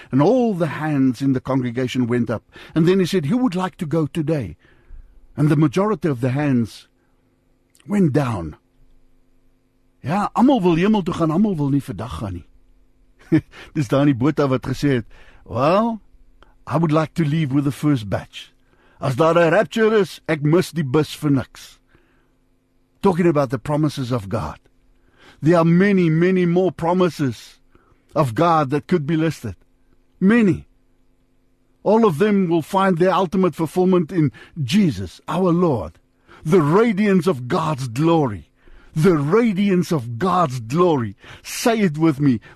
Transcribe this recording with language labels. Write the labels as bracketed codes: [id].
[en] And all the hands in the congregation went up. And then he said, who would like to go today? And the majority of the hands went down. [af] Ja, almal wil hemel toe gaan, almal wil nie vandag gaan nie. Dis daar in die boot wat gesê het, [en] well, I would like to leave with the first batch. [af] As daar 'n rapture is, ek mis die bus vir niks. [en] Talking about the promises of God. There are many, many more promises of God that could be listed. Many. All of them will find their ultimate fulfillment in Jesus, our Lord. The radiance of God's glory. The radiance of God's glory. Say it with me.